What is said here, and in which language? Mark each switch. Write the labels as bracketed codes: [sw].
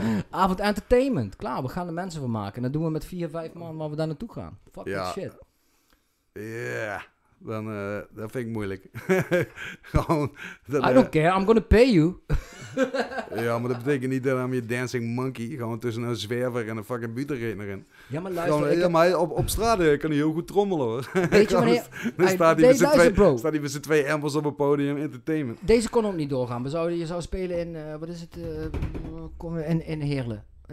[nl] avond entertainment. Klaar, we gaan er mensen van maken. En dat doen we met 4, 5 man waar we daar naartoe gaan. [en] Fuck ja. That shit. Ja. Yeah. [nl] Dan dat vind ik moeilijk. Gewoon, dat, [en] I don't care, I'm gonna pay you. [nl] Ja, maar dat betekent niet dat [en] I'm your dancing monkey. [nl] Gewoon tussen een zwerver en een fucking buterrenner in. Ja, maar luister. Gewoon, ik heb... maar op straat kan hij heel goed trommelen, hoor. Weet je wanneer... Dan staat, staat hij met zijn twee emmers op een podium, entertainment. Deze kon ook niet doorgaan. Je zou spelen in, wat is het? In Heerlen.